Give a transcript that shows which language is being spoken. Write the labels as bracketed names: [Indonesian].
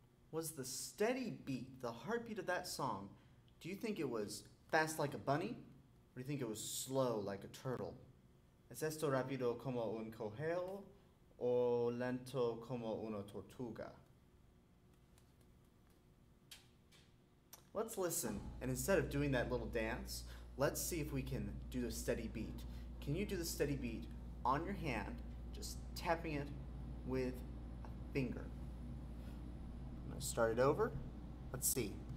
[English] Was the steady beat, the heartbeat of that song, do you think it was fast like a bunny? Or do you think it was slow like a turtle? [Spanish] ¿Es esto rápido como un conejo o lento como una tortuga? [English] Let's listen, and instead of doing that little dance, let's see if we can do the steady beat. Can you do the steady beat on your hand, just tapping it with a finger? I'm gonna start it over. Let's see.